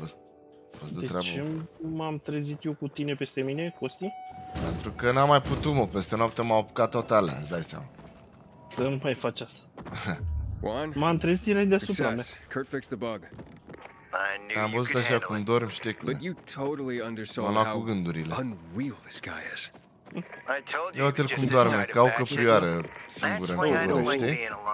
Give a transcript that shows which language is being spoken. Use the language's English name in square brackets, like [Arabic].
[Romanian] A fost de treabă. Ce m-am trezit eu cu tine peste mine, Costi? Pentru că n-am mai putut, mă. Peste noapte m-a apucat total, îți dai seama. Să nu mai faci asta. M-am trezit înainte deasupra mea. [English] Kurt fixed the bug. [Romanian] Am văzut așa cum dorm, știi cum e. [English] But you totally understood how unreal this guy is. [Romanian] Ia uite-l cum doarme, ca o căprioară singură în căldură, știi?